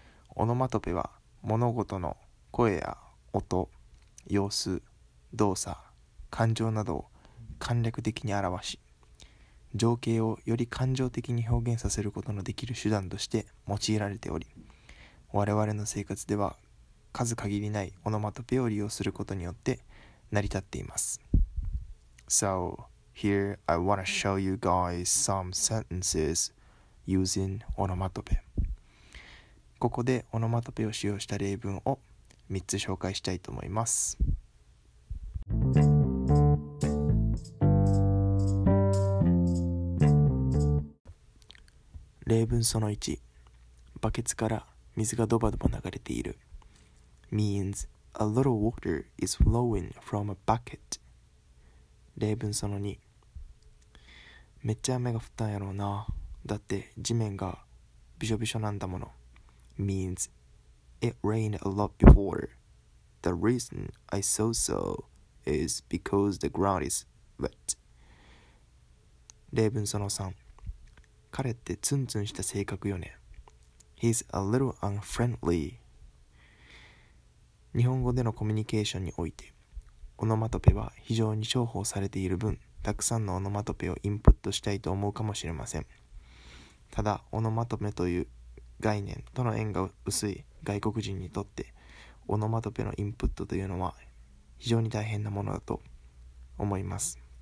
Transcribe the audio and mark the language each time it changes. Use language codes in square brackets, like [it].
[ja] オノマトペは物事の声や音、様子、動作、感情などを簡略的に表し、情景をより感情的に表現させることのできる手段として用いられており、我々の生活では数限りないオノマトペを利用することによって成り立っています。 [en] So here I wanna show you guys some sentences using オノマトペ。 [ja] ここでオノマトペを使用した例文を3つ紹介したいと思います。例文その1、バケツから水がドバドバ流れている。 [en] means a little water is flowing from a bucket。 [ja] 例文その2、めっちゃ雨が降ったんやろうな、だって地面がびしょびしょなんだもの。 [en] means it rained a lot before. The reason I saw so is because the ground is wet. [ja] 例文その3、彼ってツンツンした性格よね。 [en] He's a little unfriendly. [ja] 日本語でのコミュニケーションにおいて、オノマトペは非常に重宝されている分、たくさんのオノマトペをインプットしたいと思うかもしれません。ただ、オノマトペという概念との縁が薄い外国人にとって、オノマトペのインプットというのは非常に大変なものだと思います。